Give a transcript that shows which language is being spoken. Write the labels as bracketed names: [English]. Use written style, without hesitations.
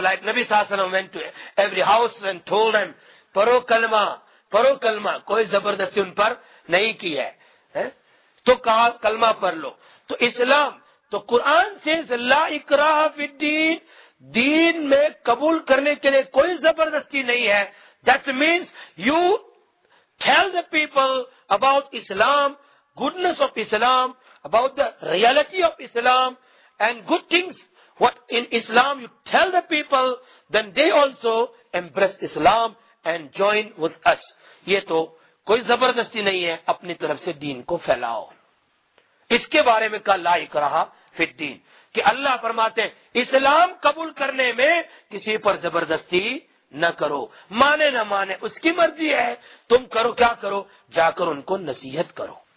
[Urdu] Like نبی صلی اللہ علیہ وسلم [English] went to every house and told them [Urdu] پرو کلمہ، پرو کلمہ، کوئی زبردستی ان پر نہیں کی ہے، تو کہا کلمہ پڑھ لو. تو اسلام، تو قرآن says [Arabic] لا اکراہ فی الدین، [Urdu] دین میں قبول کرنے کے لیے کوئی زبردستی نہیں ہے. [English] That means you tell the people about Islam, goodness of Islam, about the reality of Islam and good things what in Islam you tell the people, then they also embrace Islam and join with us. [Urdu] یہ تو کوئی زبردستی نہیں ہے، اپنی طرف سے دین کو پھیلاؤ. اس کے بارے میں کہا [Arabic] لا اکراہ فی الدین، [Urdu] کہ اللہ فرماتے ہیں اسلام قبول کرنے میں کسی پر زبردستی نہ کرو، مانے نہ مانے اس کی مرضی ہے، تم کرو کیا کرو، جا کر ان کو نصیحت کرو.